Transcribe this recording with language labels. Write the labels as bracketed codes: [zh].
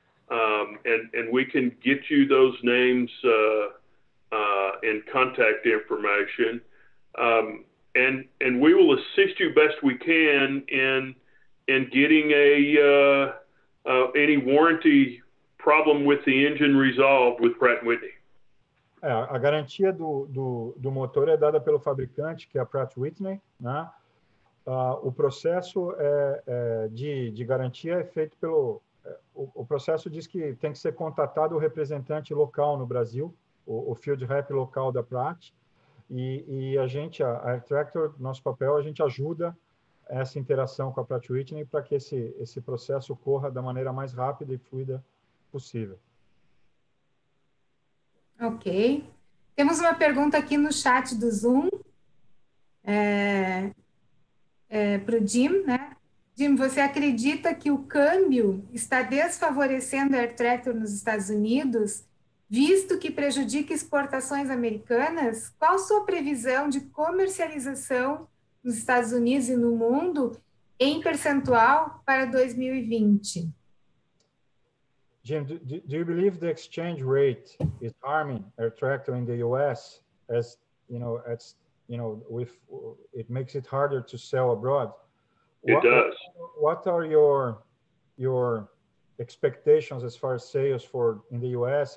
[en] And we can get you those names and contact information, and we will assist you best we can in getting any warranty problem with the engine resolved with Pratt & Whitney. [pt] A garantia do motor é dada pelo fabricante, que é a Pratt & Whitney, né? O processo de garantia é feito pelo... O processo diz que tem que ser contatado o representante local no Brasil, o field rep local da Pratt, e a gente, a Air Tractor, nosso papel, a gente ajuda essa interação com a Pratt Whitney para que esse processo corra da maneira mais rápida e fluida possível. Ok. Temos uma pergunta aqui no chat do Zoom, para o Jim, né? Jim, você acredita que o câmbio está desfavorecendo a Air Tractor nos Estados Unidos, visto que prejudica exportações americanas? Qual sua previsão de comercialização nos Estados Unidos e no mundo em percentual para 2020? [en] Jim, do you believe the exchange rate is harming Air Tractor in the US, as you know, as you know, with it makes it harder to sell abroad? It does. What are your expectations as far as sales for in the U.S.